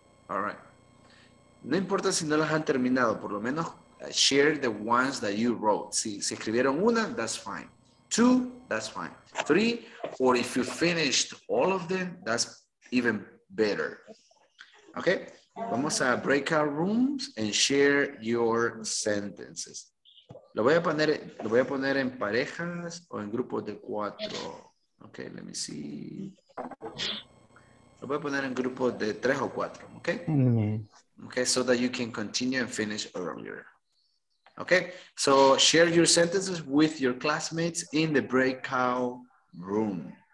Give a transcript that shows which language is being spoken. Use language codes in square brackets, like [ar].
[en] All right. [es] No importa si no las han terminado, por lo menos [en] share the ones that you wrote. [es] Si escribieron una, [en] that's fine. Two, that's fine. Three, or if you finished all of them, that's even better. Okay? [es] Vamos a [en] breakout rooms and share your sentences. [es] Lo voy a poner en parejas o en grupos de cuatro. [en] Okay, let me see. [es] Lo voy a poner en grupos de tres o cuatro. [en] Okay? Mm-hmm. Okay, so that you can continue and finish earlier. Okay, so share your sentences with your classmates in the breakout room.